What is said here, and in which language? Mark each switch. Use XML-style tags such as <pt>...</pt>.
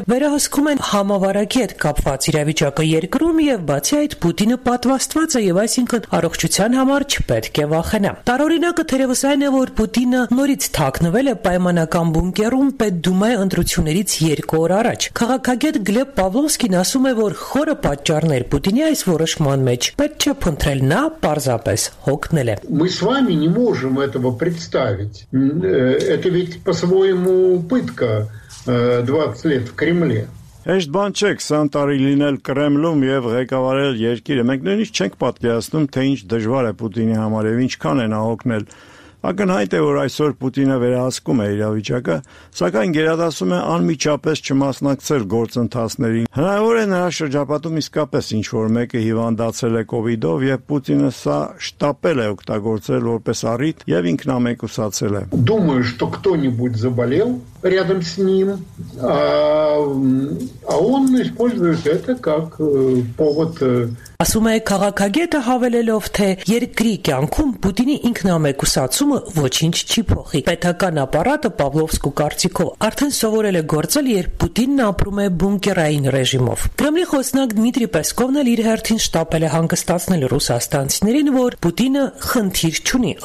<hy>վերահսկում են համավարակի հետ կապված իրավիճակը երկրում, եւ բացի այդ Պուտինը պատվաստված է, եւ այսինքն առողջության համար չպետք է վախենա։ Տարօրինակը թերևս այն է, որ Պուտինը նորից թաքնվել է պայմանական բունկերում Պետդումայի ընտրություններից 2 օր առաջ։ Քաղաքագետ Գլեբ Պավլովսկին ասում է, որ խորը պատճառներ Պուտինի այս որոշման մեջ պետք չէ փնտրել, նա պարզապես հոգնել է։</hy> <ru>Мы с вами не можем этого представить. Это ведь по своему пытка 20 лет в Кремле.</ru> <hy>Այժմ բան չէ 20 տարի լինել Կրեմլում եւ ղեկավարել երկիրը։ Մենք նույնիսկ չենք պատկերացնում, թե ինչ դժվար է Պուտինի համար եւ ինչքան են ահոգնել։ Ակնհայտ է, որ այսօր Պուտինը վերահսկում է իրավիճակը, սակայն գերադասում է անմիջապես չմասնակցել գործընթացներին։ Հնարավոր է նրա շրջապատում իսկապես ինչ-որ մեկը հիվանդացել է COVID-ով եւ Պուտինը սա շտապել է օգտագործել որպես առիթ եւ ինքնամեկուսացել է։</hy> <ru>Думаю, что кто-нибудь заболел рядом с ним, а он использует это как повод.</ru> <hy>Ասում է քաղաքագետը հավելելով, թե երկրի կյանքում Պուտինի ինքնամեկուսացումը ոչինչ չի փոխի։ Պետական ապարատը Պավլովսկու կարծիքով արդեն սովորել է գործել, երբ Պուտինն ապրում է բունկերային ռեժիմով։ Կրեմլի խոսնակ Դմիտրի Պեսկովն էլ իր հերթին շտապել է հանգստացնել ռուսաստանցիներին, որ Պուտինը խնդիր չունի</hy>